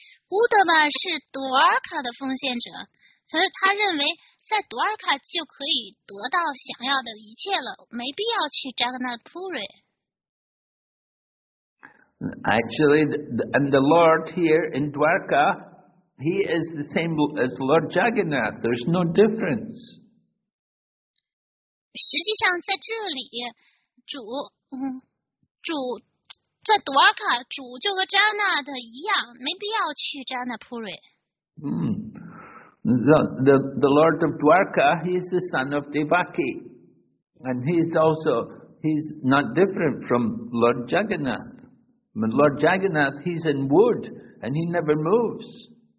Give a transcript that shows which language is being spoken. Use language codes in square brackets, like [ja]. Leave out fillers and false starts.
[zh] Uddhava 是 Dwarka 的奉献者，所以他认为在多尔卡就可以得到想要的一切了，没必要去扎格纳普瑞。 [en] Actually, and the Lord here in Dwarka, he is the same as Lord Jagannath. There's no difference. [zh] 实际上，在这里，主在多尔卡，主就和扎纳的一样，没必要去扎纳普瑞。 [en] The Lord of Dwarka, he is the son of Devaki, and he's not different from Lord Jagannath. But Lord Jagannath, he's in wood and he never moves.